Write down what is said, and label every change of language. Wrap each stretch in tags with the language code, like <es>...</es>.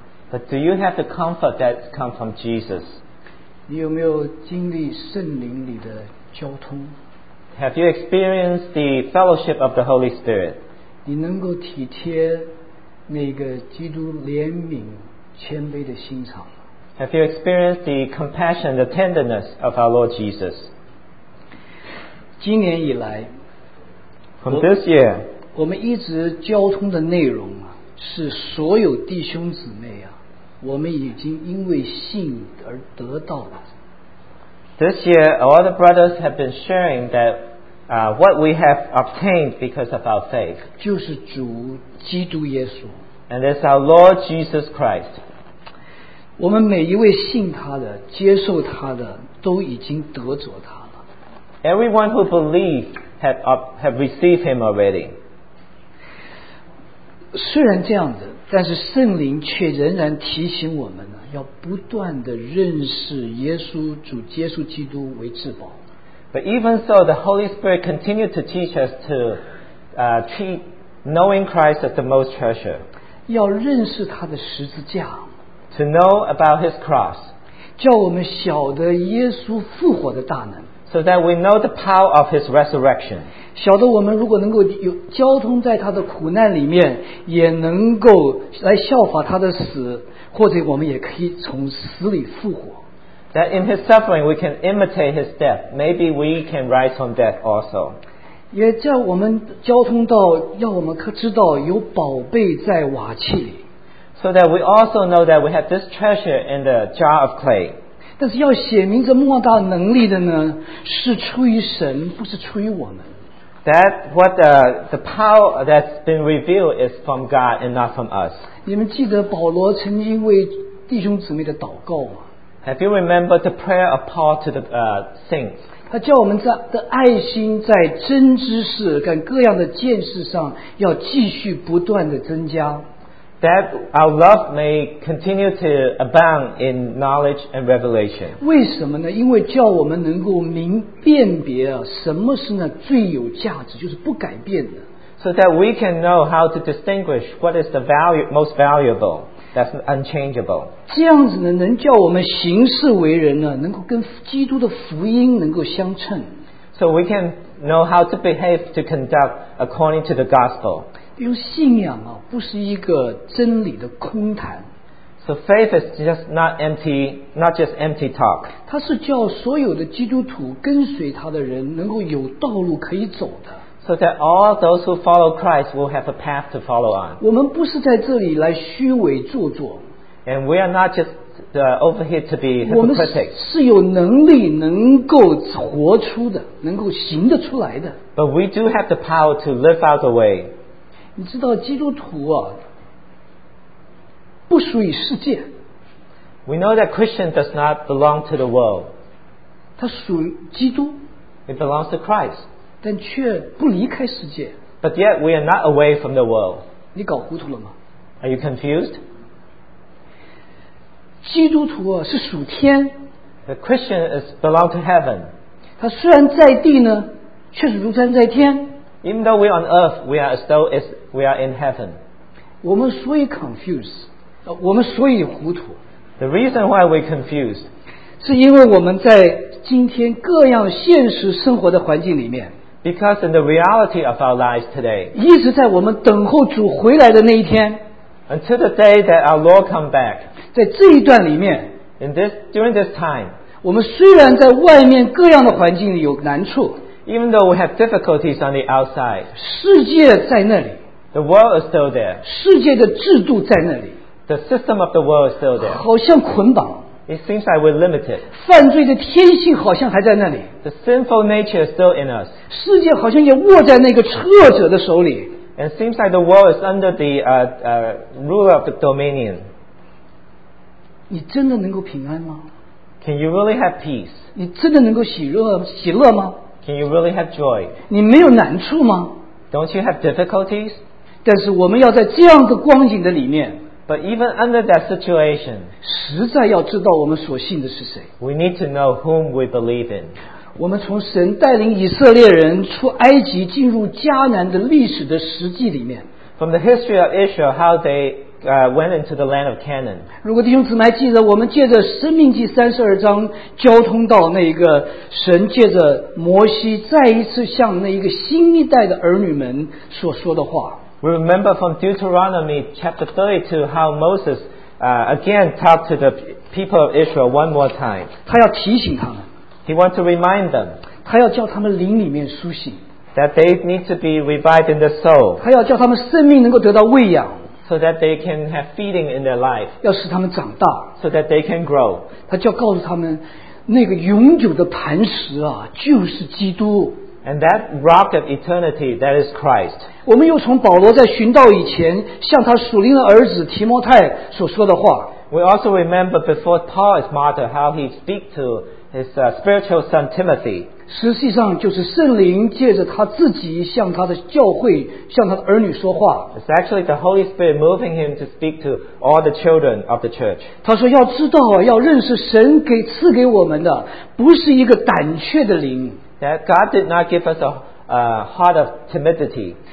<en>But do you have the comfort that comes from Jesus?</en> <zh>你有没有经历圣灵里的交通？</zh> <en>Have you experienced the fellowship of the Holy Spirit?</en> <zh>你能够体贴那个基督怜悯谦卑的心肠？</zh> <en>Have you experienced the compassion, the tenderness of our Lord Jesus?</en> <zh>今年以来，</zh> <en>From this year,</en> <zh>我们一直交通的内容是所有弟兄姊妹啊，我们已经因为信而得到的。</zh> <en>This year, all the brothers have been sharing that, what we have obtained because of our faith.</en> <zh>就是主基督耶稣。</zh> <en>And it's our Lord Jesus Christ.</en> <zh>我们每一位信他的、接受他的，都已经得着他了。</zh> <en>Everyone who believes have received him already.</en> <zh>虽然这样子，但是圣灵却仍然提醒我们呢，要不断地认识耶稣主耶稣基督为至宝。</zh> <en>But even so, the Holy Spirit continued to teach us to treat knowing Christ as the most treasure.</en> <zh>要认识他的十字架。</zh> <en>To know about his cross.</en> <zh>叫我们晓得耶稣复活的大能。</zh> <en>So that we know the power of his resurrection.</en> <zh>晓得我们如果能够有交通在他的苦难里面，也能够来效法他的死，或者我们也可以从死里复活。</zh> <en>That in his suffering we can imitate his death. Maybe we can rise from death also.</en> <zh>也叫我们交通到要我们可知道有宝贝在瓦器里。</zh> <en>So that we also know that we have this treasure in the jar of clay.</en> <zh>但是要显明这莫大能力的呢，是出于神，不是出于我们。</zh> <en>That what the power that's been revealed is from God and not from us.</en> <zh>你们记得保罗曾经为弟兄姊妹的祷告吗？</zh> <en>Have you remembered the prayer of Paul to the saints?</en> <zh>他叫我们在的爱心在真知识跟各样的见识上要继续不断的增加。</zh> <en>That our love may continue to abound in knowledge and revelation.</en> <zh>为什么呢？因为叫我们能够明辨别啊，什么是那最有价值，就是不改变的。</zh> <en>So that we can know how to distinguish what is the value, most valuable, that's unchangeable.</en> <zh>这样子呢，能叫我们行事为人呢，能够跟基督的福音能够相称。</zh> <en>So we can know how to behave to conduct according to the gospel.</en> <zh>因为信仰啊，不是一个真理的空谈。</zh> <en>So faith is just not empty, not just empty talk.</en> <zh>它是叫所有的基督徒跟随他的人能够有道路可以走的。</zh> <en>So that all those who follow Christ will have a path to follow on.</en> <zh>我们不是在这里来虚伪做作。</zh> <en>And we are not just over here to be hypocritical.</en> <zh>我们是有能力能够活出的，能够行得出来的。</zh> <en>But we do have the power to live out the way.</en> <zh>你知道基督徒啊，不属于世界。</zh> <en>We know that Christian does not belong to the world.</en> <zh>他属于基督。</zh> <en>It belongs to Christ.</en> <zh>但却不离开世界。</zh> <en>But yet we are not away from the world.</en> <zh>你搞糊涂了吗？</zh> <en>Are you confused?</en> <zh>基督徒啊是属天。</zh> <en>The Christian is belong to heaven.</en> <zh>他虽然在地呢，却是如山在天。</zh> <en>Even though we're on earth, we are as though as we are in heaven.</en> <zh>我们所以 confused, 我们所以糊涂。</zh> <en>The reason why we're confused,</en> <zh>是因为我们在今天各样现实生活的环境里面。</zh> <en>Because in the reality of our lives today,</en> <zh>一直在我们等候主回来的那一天。</zh> <en>Until the day that our Lord come back,</en> <zh>在这一段里面。</zh> <en>In this, during this time,</en> <zh>我们虽然在外面各样的环境里有难处。</zh> <en>Even though we have difficulties on the outside,</en> <zh>世界在那里。</zh> <en>The world is still there.</en> <zh>世界的制度在那里。</zh> <en>The system of the world is still there.</en> <zh>好像捆绑。</zh> <en>It seems like we're limited.</en> <zh>犯罪的天性好像还在那里。</zh> <en>The sinful nature is still in us.</en> <zh>世界好像也握在那个掣者的手里。</zh> <en>And it seems like the world is under the ruler of the dominion.</en> <zh>你真的能够平安吗？</zh> <en>Can you really have peace?</en> <zh>你真的能够喜乐吗？</zh> <en>Can you really have joy?</en> <zh>你没有难处吗？</zh> <en>Don't you have difficulties?</en> <zh>但是我们要在这样的光景的里面，</zh> <en>But even under that situation,</en> <zh>实在要知道我们所信的是谁。</zh> <en>We need to know whom we believe in.</en> <zh>我们从神带领以色列人出埃及进入迦南的历史的实际里面，</zh> <en>From the history of Israel, how they went into the land of Canaan.</en> <zh>如果弟兄姊妹记得，我们借着《申命记》三十二章交通到那一个神借着摩西再一次向那一个新一代的儿女们所说的话。</zh> <en>We remember from Deuteronomy chapter 32 how Moses again talked to the people of Israel one more time.</en> <zh>他要提醒他们。</zh> <en>He wanted to remind them.</en> <zh>他要叫他们灵里面苏醒。</zh> <en>That they need to be revived in the soul.</en> <zh>他要叫他们生命能够得到喂养。</zh> <en>So that they can have feeding in their life.</en> <zh>要使他们长大。</zh> <en>So that they can grow.</en> <zh>他就告诉他们，那个永久的磐石啊，就是基督。</zh> <en>And that rock of eternity, that is Christ.</en> <zh>我们又从保罗在寻道以前，向他属灵的儿子提摩太所说的话。</zh> <en>We also remember before Paul is martyred, how he speak to his spiritual son Timothy.</en> <zh>实际上就是圣灵借着他自己向他的教会，向他的儿女说话。</zh> <en>It's actually the Holy Spirit moving him to speak to all the children of the church.</en> <zh>他说要知道啊，要认识神给赐给我们的，不是一个胆怯的灵。</zh> <en>That God did not give us a heart of timidity.</en>